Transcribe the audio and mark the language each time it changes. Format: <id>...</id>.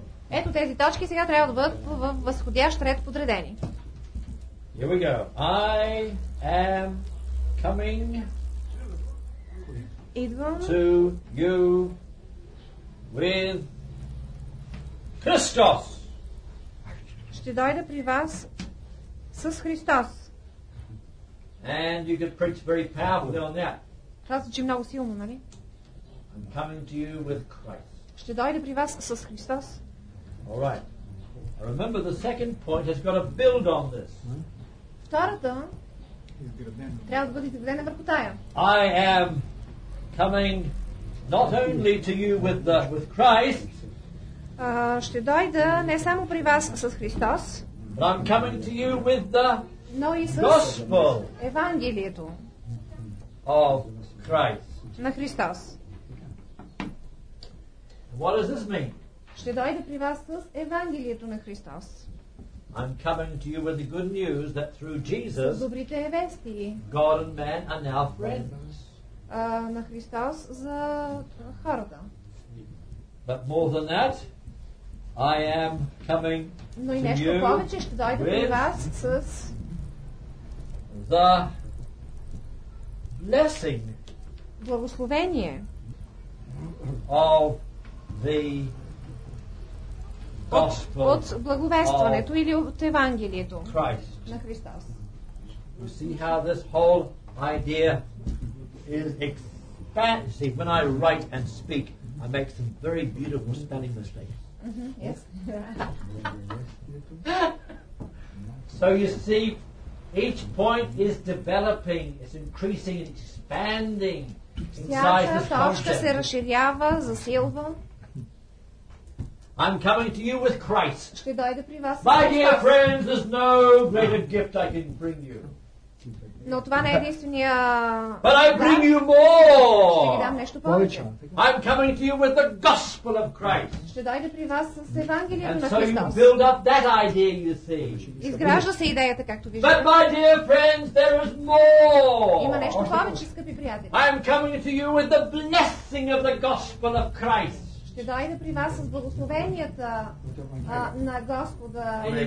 <bg>Ето тези точки сега трябва да бъдат в възходящ ред подредени.</bg> <en>Here we go. I am coming to you with Christos.</en> <bg>Ще дойда при вас с Христос.</bg> <en>And you could preach very powerfully on that.</en> <bg>Това звучи много силно, нали?</bg> <en>I'm coming to you with Christ.</en> <bg>Ще дойда при вас с Христос.</bg> <en>All right. Remember, the second point has got to build on this.</en> <bg>Втората трябва да бъде изградена върху тая.</bg> <en>I am coming not only to you with Christ.</en> <bg>Ще дойда не само при вас с Христос.</bg> <en>But I'm coming to you with the Gospel. Евангелието. Of Christ.</en> <bg>На Христос.</bg> <en>What does this mean?</en> <bg>Ще дойда при вас с Евангелието на Христос.</bg> <en>I'm coming to you with the good news that through Jesus,</en> <bg>добрите вести.</bg> <en>God and man are now friends.</en> <bg>На Христос за хората.</bg> <en>But more than that, I am coming to you.</en> <bg>Но и нещо повече, ще дойда при вас с</bg> <en>the blessing.</en> <bg>Благословение.</bg> <en>Of the</en> <bg>От благовестването или от Евангелието на Христос.</bg> <en>You see how this whole idea is expansive. When I write and speak, I make some very beautiful spelling mistakes. Yes. So you see, each point is developing, it's increasing, it's expanding inside this concept.</en> <bg>Всяка точка се разширява, засилва.</bg> <en>I'm coming to you with Christ.</en> <bg>Ще дойда при вас.</bg> <en>My dear friends, there's no greater gift I can bring you.</en> <bg>Но това не е единствения.</bg> <en>But I bring you more.</en> <bg>Ще ви дам нещо повече.</bg> <en>I'm coming to you with the gospel of Christ.</en> <bg>Ще дойда при вас с Евангелието на</bg> <en>Христос. And so you build up that idea, you see.</en> <bg>Изгражда се идеята, както виждате.</bg> <en>But my dear friends, there is more.</en> <bg>Има нещо повече, скъпи приятели.</bg> <en>I'm coming to you with the blessing of the gospel of Christ.</en> <bg>Ще дойда при вас с благословенията на Господа.</bg>